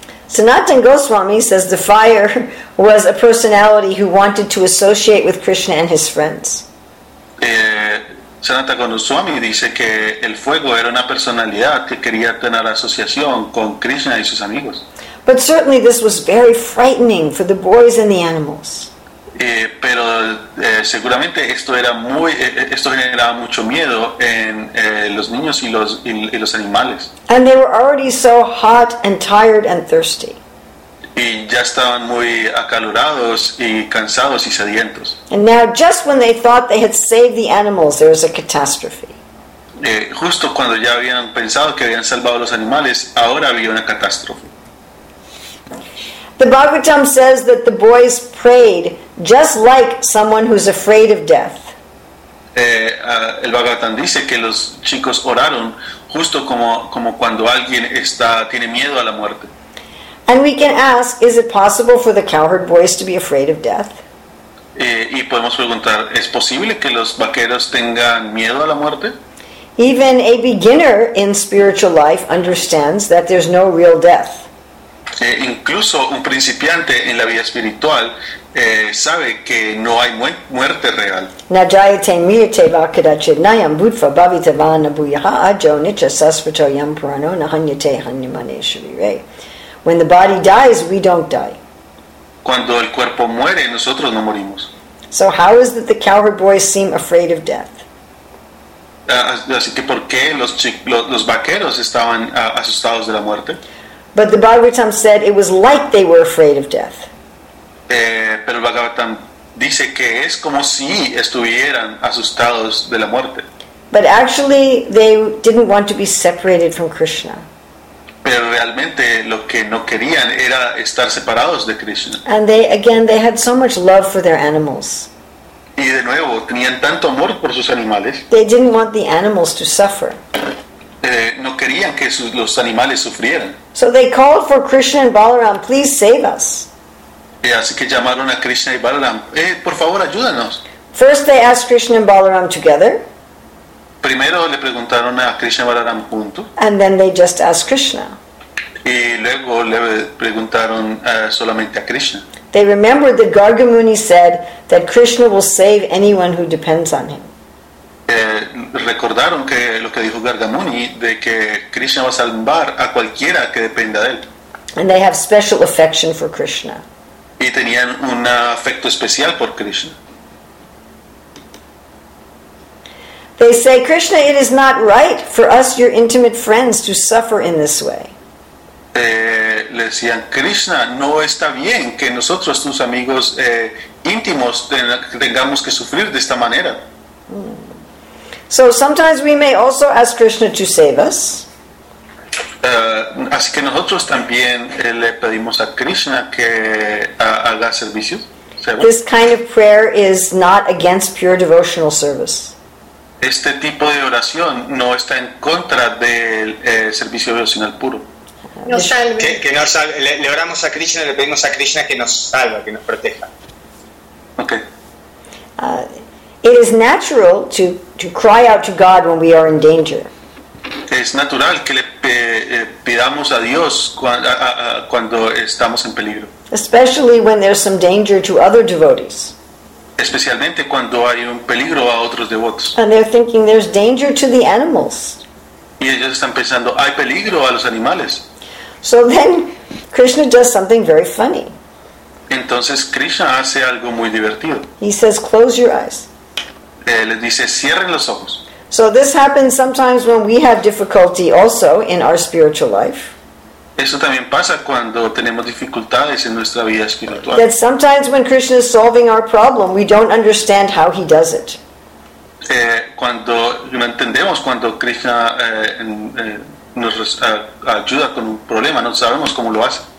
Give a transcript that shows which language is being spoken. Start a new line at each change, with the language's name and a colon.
English: Sanatan Goswami says the fire was a personality who wanted to associate with Krishna and his friends.
Spanish: Sanatan Goswami dice que el fuego era una personalidad que quería tener asociación con Krishna y sus amigos.
English: But certainly this was very frightening for the boys and the animals.
Spanish: Seguramente esto era muy, esto generaba mucho miedo en los niños y los animales.
English: And they were already so hot and tired and thirsty.
Spanish: Y ya estaban muy acalorados y cansados y sedientos.
English: And now, just when they thought they had saved the animals, there was a catastrophe.
Spanish: Justo cuando ya habían pensado que habían salvado los animales, ahora había una catástrofe.
English: The Bhagavatam says that the boys prayed just like someone who's afraid of death.
Spanish: El Bhagavatam dice que los chicos oraron justo como cuando alguien tiene miedo a la muerte.
English: And we can ask, is it possible for the cowherd boys to be afraid of death?
Spanish: Y podemos preguntar, ¿es posible que los vaqueros tengan miedo a la muerte?
English: Even a beginner in spiritual life understands that there's no real death.
Spanish: Incluso un principiante en la vida espiritual sabe que no hay muerte real.
Sanskrit: Najayate miyate vakadachit nayam bhutva bhavitavana buyaha ajo nicha sasvato yam purano nahanyate hanyamane shavire.
English: When the body dies, we don't die.
Spanish: Cuando el cuerpo muere, nosotros no morimos.
English: So how is it the cowherd boys seem afraid of death?
Spanish: Así que ¿por qué los vaqueros estaban asustados de la muerte?
English: But the Bhagavatam said it was like they were afraid of death.
Spanish: Pero el Bhagavatam dice que es como si estuvieran asustados de la muerte.
English: But actually, they didn't want to be separated from Krishna.
Spanish: Pero realmente lo que no querían era estar separados de Krishna.
English: And they had so much love for their animals.
Spanish: Y de nuevo, tenían tanto amor por sus animales.
English: They didn't want the animals to suffer.
Spanish: No querían que los animales sufrieran.
English: So they called for Krishna and Balaram, please save us.
Spanish: Así que llamaron a Krishna y Balaram, por favor, ayúdanos.
English: First they asked Krishna and Balaram together.
Spanish: Primero le preguntaron a Krishna y Balaram juntos.
English: And then they just asked Krishna.
Spanish: Y luego le preguntaron solamente a Krishna.
English: They remembered that Gargamuni said that Krishna will save anyone who depends on him.
Spanish: Recordaron que lo que dijo Gargamuni de que Krishna va a salvar a cualquiera que dependa de él.
English: And they have special affection for Krishna.
Spanish: Y tenían un afecto especial por Krishna.
English: They say, Krishna, it is not right for us, your intimate friends, to suffer in this way.
Spanish: Le decían, Krishna, no está bien que nosotros, tus amigos íntimos, tengamos que sufrir de esta manera.
English: So sometimes we may also ask Krishna to save us.
Spanish: Así que nosotros también le pedimos a Krishna que haga servicios.
English: This kind of prayer is not against pure devotional service.
Spanish: Este tipo de oración no está en contra del servicio devocional puro. Nos salve. Que nos salve. Le oramos a Krishna, le pedimos a Krishna que nos salve, que nos proteja.
English: Okay. It is natural to cry out to God when we are in danger.
Spanish: Es natural que le pidamos a Dios cuando estamos en peligro.
English: Especially when there's some danger to other devotees.
Spanish: Especialmente cuando hay un peligro a otros devotos.
English: And they're thinking there's danger to the animals.
Spanish: Y ellos están pensando, hay peligro a los animales.
English: So then Krishna does something very funny.
Spanish: Entonces Krishna hace algo muy divertido.
English: He says, close your eyes.
Spanish: Les dice, cierren los ojos.
English: So this happens sometimes when we have difficulty also in our spiritual life.
Spanish: Eso también pasa cuando tenemos dificultades en nuestra vida espiritual.
English: That sometimes when Krishna is solving our problem, we don't understand how he does it.
Spanish: Cuando no entendemos cuando Krishna nos ayuda con un problema, no sabemos cómo lo hace.